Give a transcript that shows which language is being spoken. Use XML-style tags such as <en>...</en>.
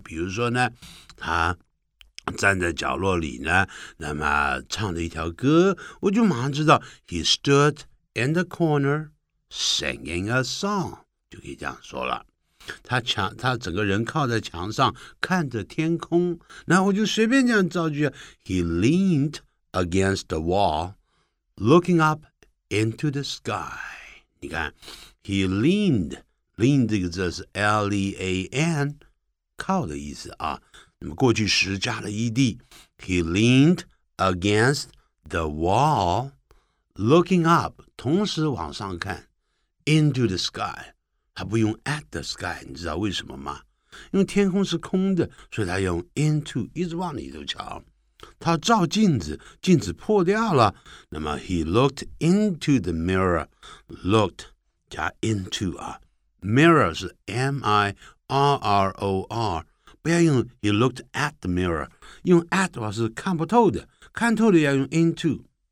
<zh>比如说呢，他站在角落里呢，那么唱了一条歌，我就马上知道</zh> <en>he stood in the corner singing a song。</en> <zh>就可以这样说了，他整个人靠在墙上看着天空，那我就随便这样造句。</zh> <en>He leaned against the wall looking up into the sky。</en> <zh>你看</zh> <en>He leaned</en> <zh>这个字是</zh> <en>L-E-A-N</en> <zh>靠的意思啊，那么过去时加了 ed。</zh> <en>He leaned against the wall, looking up,</en> <zh>同时往上看</zh> <en>into the sky.</en> <zh>他不用</zh> <en>at the sky,</en> <zh>你知道为什么吗？因为天空是空的，所以他用 into, 一直往里头瞧。他照镜子，镜子破掉了，那么</zh> <en>he looked into the mirror, looked</en> <zh>加 into 啊，</zh> <en>mirror</en> <zh>是</zh> <en>mirror,</en> <zh>不要用</zh> <en>he looked at the mirror,</en> <zh>用</zh> <en>at</en> <zh>是看不透的，看透的要用</zh> <en>into。</en>